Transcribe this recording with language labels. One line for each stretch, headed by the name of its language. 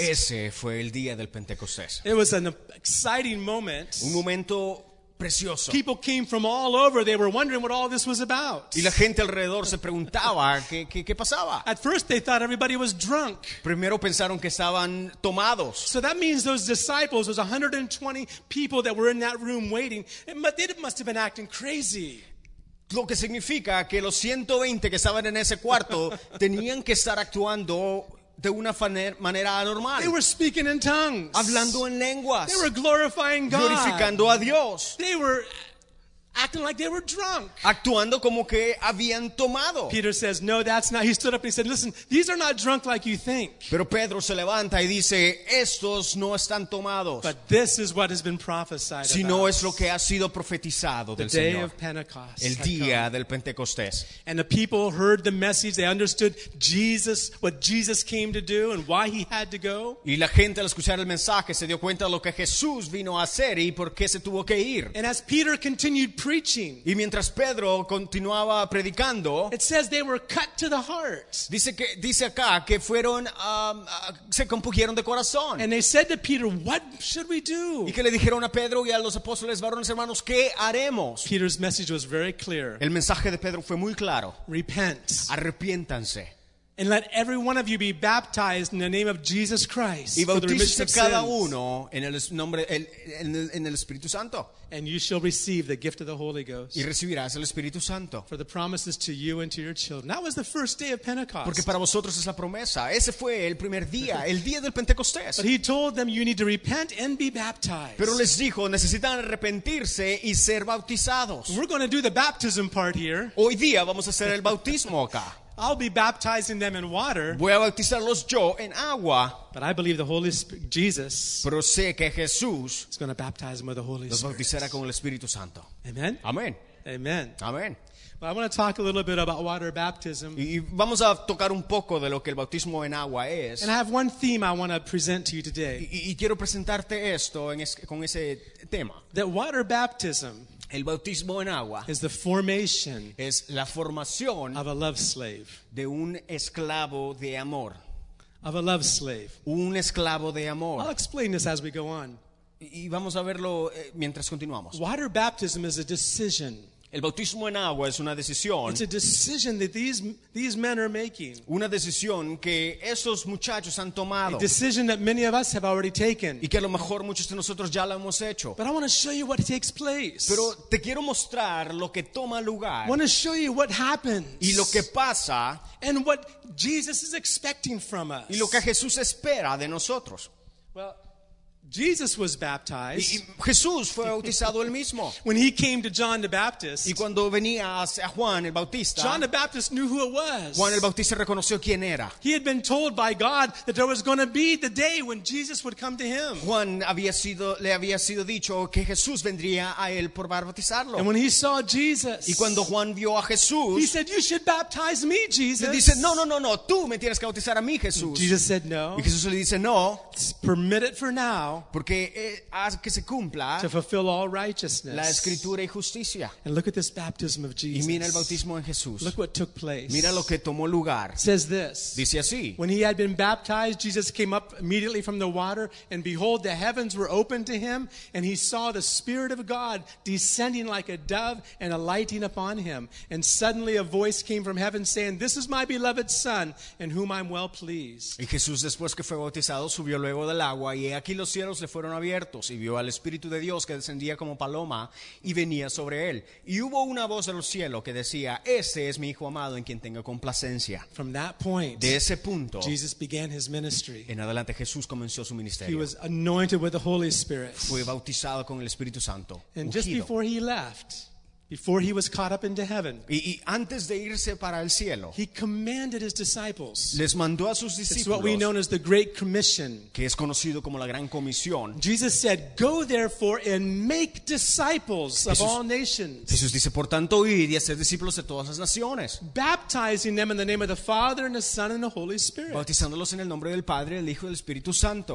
Spanish: Ese fue el día del Pentecostés.
English: It was an exciting moment.
Spanish: Un momento precioso.
English: People came from all over. They were wondering what all this was about.
Spanish: Y la gente alrededor se preguntaba qué pasaba.
English: At first they thought everybody was drunk.
Spanish: Primero pensaron que estaban tomados.
English: So that means those disciples, those 120 people that were in that room waiting, they must have been acting crazy.
Spanish: Lo que significa que los 120 que estaban en ese cuarto tenían que estar actuando de una manera anormal.
English: They were speaking in tongues.
Spanish: Hablando en lenguas.
English: They were glorifying God.
Spanish: Glorificando a Dios.
English: They were acting like they were drunk.
Spanish: Actuando como que habían tomado.
English: Peter says, no, that's not. He stood up and he said, listen, these are not drunk like you think.
Spanish: Pero Pedro se levanta y dice, estos no están tomados.
English: But this is what has been prophesied.
Spanish: Sino es lo que ha sido profetizado del Señor.
English: The day of Pentecost.
Spanish: El día del Pentecostés.
English: And the people heard the message. They understood Jesus, what Jesus came to do and why he had to go.
Spanish: Y la gente al escuchar el mensaje se dio cuenta de lo que Jesús vino a hacer y por qué se tuvo que ir.
English: And as Peter continued preaching.
Spanish: Y mientras Pedro continuaba predicando,
English: it says they were cut to the heart.
Spanish: Dice acá que fueron se compugieron de corazón.
English: And they said to Peter, what should we do?
Spanish: Y que le dijeron a Pedro y a los apóstoles, varones hermanos, ¿qué haremos?
English: Peter's message was very clear.
Spanish: El mensaje de Pedro fue muy claro.
English: Repent.
Spanish: Arrepiéntanse.
English: And let every one of you be baptized in the name of Jesus Christ.
Spanish: Y bautícese cada uno en el nombre en el Espíritu Santo.
English: And you shall receive the gift of the Holy Ghost.
Spanish: Y recibirás el Espíritu Santo.
English: For the promises to you and to your children. That was the first day of Pentecost.
Spanish: Porque para vosotros es la promesa. Ese fue el primer día, el día del Pentecostés.
English: But he told them you need to repent and be baptized.
Spanish: Pero les dijo, necesitan arrepentirse y ser bautizados.
English: We're going to do the baptism part here.
Spanish: Hoy día vamos a hacer el bautismo acá.
English: I'll be baptizing them in water.
Spanish: Voy a bautizarlos yo en agua.
English: But I believe the Holy Spirit, Jesus.
Spanish: Pero sé que Jesús
English: is going to baptize them with the Holy Spirit.
Spanish: Los bautizará con el Espíritu Santo.
English: Amen. Amen. Amen. Amen. But I want to talk a little bit about water baptism.
Spanish: Y vamos a tocar un poco de lo que el bautismo en agua es.
English: And I have one theme I want to present to you today.
Spanish: Y quiero presentarte esto con ese tema.
English: That water baptism.
Spanish: El bautismo en agua
English: is the formation
Spanish: es la formación
English: of a love slave,
Spanish: de un esclavo de amor,
English: of a love slave,
Spanish: un esclavo de amor.
English: I'll explain this as we go on.
Spanish: Y vamos a verlo mientras continuamos.
English: Water baptism is a decision.
Spanish: El bautismo en agua es una decisión.
English: It's a decision that these men are making.
Spanish: Una decisión que esos muchachos han tomado.
English: A decision that many of us have already taken.
Spanish: Y que a lo mejor muchos de nosotros ya lo hemos hecho.
English: But I want to show you what takes place.
Spanish: Pero te quiero mostrar lo que toma lugar.
English: I want to show you what happens.
Spanish: Y lo que pasa.
English: And what Jesus is expecting from us.
Spanish: Y lo que Jesús espera de nosotros.
English: Well, Jesus was baptized.
Spanish: Jesús fue bautizado él mismo.
English: When he came to John the Baptist.
Spanish: Y cuando venía a Juan el Bautista.
English: John the Baptist knew who it was.
Spanish: Juan el Bautista reconoció quién era.
English: He had been told by God that there was going to be the day when Jesus would come to him.
Spanish: Juan le había sido dicho que Jesús vendría a él por bautizarlo.
English: And when he saw Jesus.
Spanish: Y cuando Juan vio a Jesús.
English: He said, "You should baptize me, Jesus."
Spanish: Le dice, no, tú me tienes que bautizar a mí, Jesús.
English: Jesus said, "No."
Spanish: Y Jesús le dice, no.
English: Permit it for now.
Spanish: Porque haz que se cumpla
English: to fulfill all righteousness.
Spanish: La escritura y justicia.
English: And look at this baptism of Jesus.
Spanish: Y mira el bautismo en Jesús.
English: Look what took place.
Spanish: Mira lo que tomó lugar.
English: Says this.
Spanish: Dice así.
English: When he had been baptized, Jesus came up immediately from the water, and behold, the heavens were opened to him, and he saw the Spirit of God descending like a dove and alighting upon him. And suddenly a voice came from heaven saying, "This is my beloved Son, in whom I'm well pleased."
Spanish: Y Jesús, después que fue bautizado, subió luego del agua, y aquí los cielos le fueron abiertos, y vio al Espíritu de Dios que descendía como paloma y venía sobre él. Y hubo una voz de los cielos que decía, "Este es mi Hijo amado en quien tengo complacencia."
English: From that point,
Spanish: de ese punto,
English: Jesus began his ministry.
Spanish: En adelante Jesús comenzó su ministerio.
English: He was anointed with the Holy Spirit.
Spanish: Fue bautizado con el Espíritu Santo.
English: And just before he left, before he was caught up into heaven,
Spanish: y antes de irse para el cielo,
English: he commanded his disciples.
Spanish: Les mandó a sus discípulos.
English: It's what we know as the Great Commission.
Spanish: Que es conocido como la Gran Comisión.
English: Jesus said, "Go therefore and make disciples of all nations."
Spanish: Jesús dice, por tanto, id y haced discípulos de todas las naciones.
English: Baptizing them in the name of the Father and the Son and the Holy Spirit.
Spanish: Bautizándolos en el nombre del Padre, el Hijo y el Espíritu Santo.